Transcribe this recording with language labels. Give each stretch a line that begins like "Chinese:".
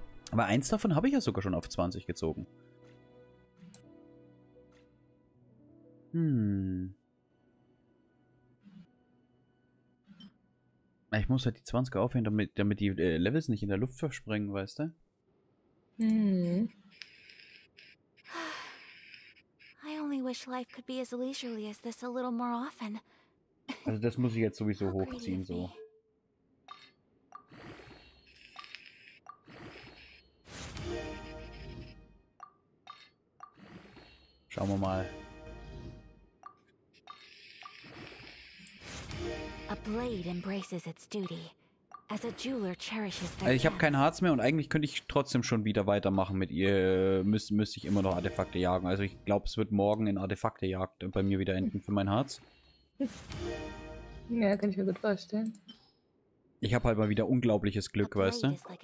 German: Aber eins davon habe ich ja sogar schon auf 20 gezogen. Ich muss halt die 20er aufhören, damit die Levels nicht in der Luft verspringen, weißt du?
English: I only wish life could be as leisurely as this a little more often.
German: Also das muss ich jetzt sowieso hochziehen, so. Schauen wir mal.
English: A blade embraces its duty. As a jeweler cherishes their.
German: Ich habe kein Harz mehr und eigentlich könnte ich trotzdem schon wieder weitermachen mit ihr. Müsste ich immer noch Artefakte jagen. Also ich glaube, es wird morgen in Artefaktejagd bei mir wieder enden für mein Harz. Ja, kann ich mir gut vorstellen. Ich habe halt mal wieder unglaubliches Glück, weißt du?